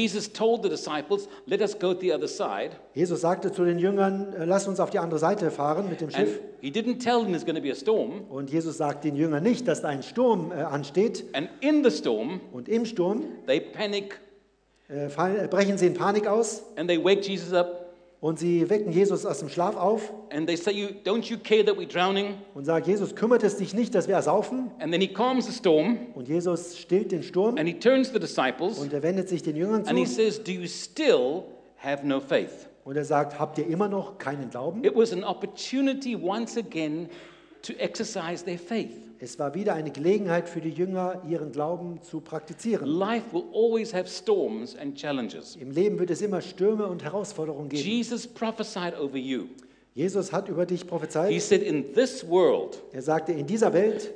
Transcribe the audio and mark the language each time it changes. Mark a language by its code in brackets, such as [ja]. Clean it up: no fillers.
[en] Jesus told the disciples, let us go the other side. [de] Jesus sagte zu den Jüngern, lass uns auf die andere Seite fahren mit dem Schiff. [en] And he didn't tell them there's going to be a storm. [de] Und Jesus sagt den Jüngern nicht, dass ein Sturm ansteht. [en] And in the storm, [de] und im Sturm, [en] they panic. [de] Brechen sie in Panik aus. [en] And they wake Jesus up. [de] Und sie wecken Jesus aus dem Schlaf auf. [en] And they say, don't you care that we're drowning? [de] Und sagt, Jesus, kümmert es dich nicht, dass wir ersaufen? [en] And then he calms the storm. [de] Und Jesus stillt den Sturm. [en] And he turns to the disciples. [de] Und er wendet sich den Jüngern zu. [en] And he says, do you still have no faith? [de] Und er sagt, habt ihr immer noch keinen Glauben? [en] It was an opportunity once again to exercise their faith. [de] Es war wieder eine Gelegenheit für die Jünger, ihren Glauben zu praktizieren. [en] Life will always have storms and challenges. [de] Im Leben wird es immer Stürme und Herausforderungen geben. [en] Jesus prophesied over you. [de] Jesus hat über dich prophezeit. [en] He said, in this world, [de] er sagte, in dieser Welt